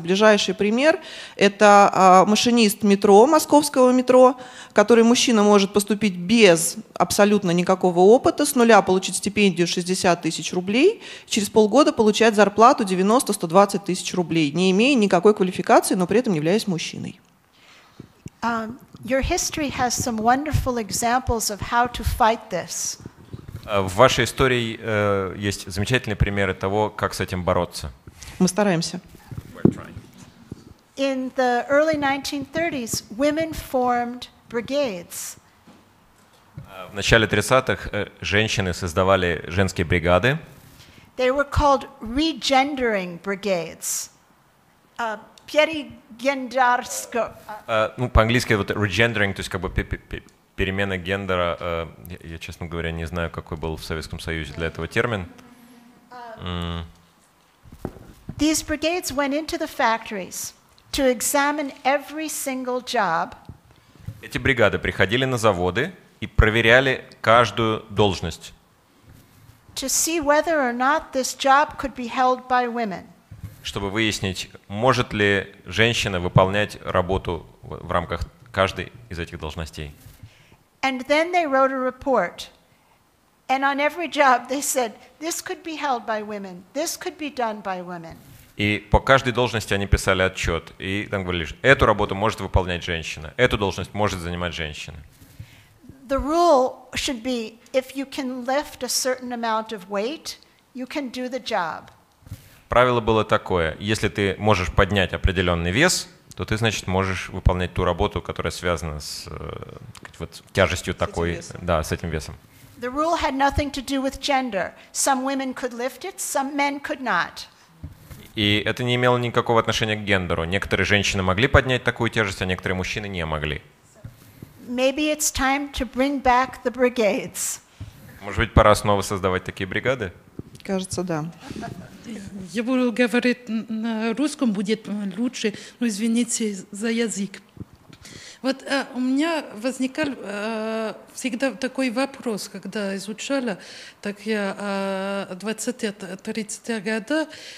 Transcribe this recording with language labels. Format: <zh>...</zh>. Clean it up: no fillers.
<ru>Ближайший пример – это машинист метро, московского метро, который мужчина может поступить без абсолютно никакого опыта, с нуля получить стипендию 60 тысяч рублей, через полгода получать зарплату 90-120 тысяч рублей, не имея никакой квалификации, но при этом являясь мужчиной.</ru> <en>Your history has some wonderful examples of how to fight this.</en> <ru>В вашей истории есть замечательные примеры того, как с этим бороться. Мы стараемся.</ru> <en>In the early 1930s, women formed brigades.</en> <ru>В начале 30-х женщины создавали женские бригады.</ru> <en>They were called regendering brigades.</en> <ru>Ну, по-английски вот regendering, то есть как бы перемена гендера. Я, честно говоря, не знаю, какой был в Советском Союзе для этого термин.</ru> <en>These brigades went into the factories to examine every single job.</en> <ru>Эти бригады приходили на заводы и проверяли каждую должность.</ru> <en>To see whether or not this job could be held by women.</en> <ru>Чтобы выяснить, может ли женщина выполнять работу в рамках каждой из этих должностей.</ru> <en>And then they wrote a report. And on every job they said, this could be held by women, this could be done by women.</en> <ru>И по каждой должности они писали отчет. И там говорили, что эту работу может выполнять женщина, эту должность может занимать женщина.</ru> <en>The rule should be, if you can lift a certain amount of weight, you can do the job.</en> <ru>Правило было такое: если ты можешь поднять определенный вес, то ты, значит, можешь выполнять ту работу, которая связана с вот, тяжестью с такой, да, с этим весом.</ru> <en>The rule had nothing to do with gender. Some women could lift it, some men could not.</en> <ru>И это не имело никакого отношения к гендеру. Некоторые женщины могли поднять такую тяжесть, а некоторые мужчины не могли.</ru> <en>Maybe it's time to bring back the brigades.</en> <ru>Может быть, пора снова создавать такие бригады? Кажется, да. Я буду говорить на русском, будет лучше, но извините за язык. Вот у меня возникал всегда такой вопрос, когда изучала, так я 20-30-х годов,</ru>